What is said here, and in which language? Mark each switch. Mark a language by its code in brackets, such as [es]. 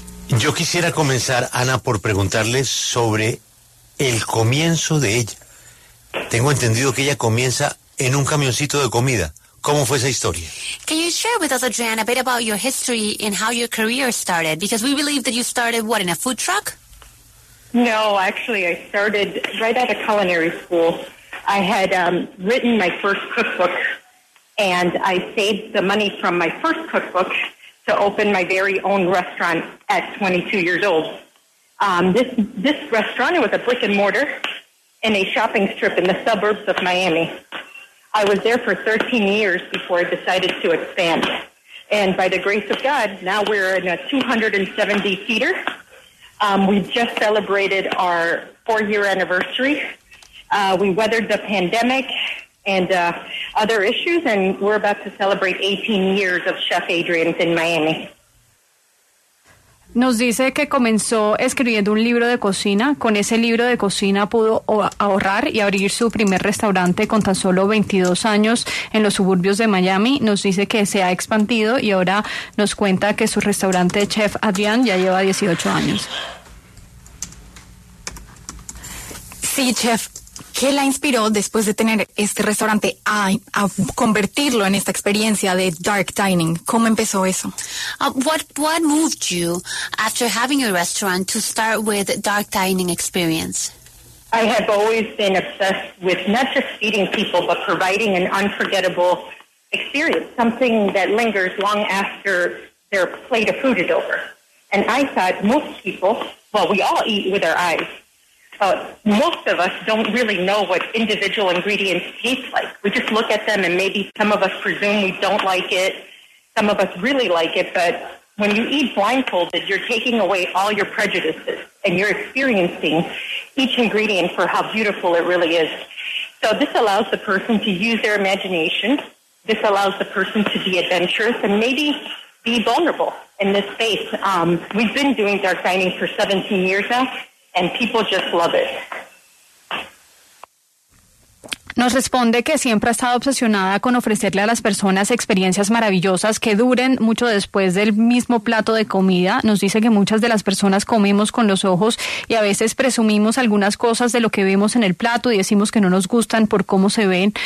[es] Yo quisiera comenzar, Ana, por preguntarle sobre el comienzo de ella. Tengo entendido que ella comienza en un camioncito de comida. ¿Cómo fue esa historia? [en] Can you share with us, Adriana, a bit about your history and how your career started? Because we believe that you started, what, in a food truck? No, actually, I started right out of culinary school. I had written my first cookbook, and I saved the money from my first cookbook to open my very own restaurant at 22 years old. This restaurant, it was a brick and mortar in a shopping strip in the suburbs of Miami. I was there for 13 years before I decided to expand. And by the grace of God, now we're in a 270-seater. We just celebrated our 4-year anniversary. We weathered the pandemic and other issues, and we're about to celebrate 18 years of Chef Adrian's in Miami. [es] Nos dice que comenzó escribiendo un libro de cocina. Con ese libro de cocina pudo ahorrar y abrir su primer restaurante con tan solo 22 años en los suburbios de Miami. Nos dice que se ha expandido y ahora nos cuenta que su restaurante Chef Adrián ya lleva 18 años. Sí, Chef. ¿Qué la inspiró después de tener este restaurante a convertirlo en esta experiencia de dark dining? ¿Cómo empezó eso? [en] What moved you after having your restaurant to start with dark dining experience? I have always been obsessed with not just feeding people, but providing an unforgettable experience, something that lingers long after their plate of food is over. And I thought most people, well, we all eat with our eyes. Most of us don't really know what individual ingredients taste like. We just look at them, and maybe some of us presume we don't like it. Some of us really like it. But when you eat blindfolded, you're taking away all your prejudices, and you're experiencing each ingredient for how beautiful it really is. So this allows the person to use their imagination. This allows the person to be adventurous and maybe be vulnerable in this space. We've been doing dark dining for 17 years now, and people just love it. [es] Nos responde que siempre ha estado obsesionada con ofrecerle a las personas experiencias maravillosas que duren mucho después del mismo plato de comida. Nos dice que muchas de las personas comemos con los ojos y a veces presumimos algunas cosas de lo que vemos en el plato y decimos que no nos gustan por cómo se ven.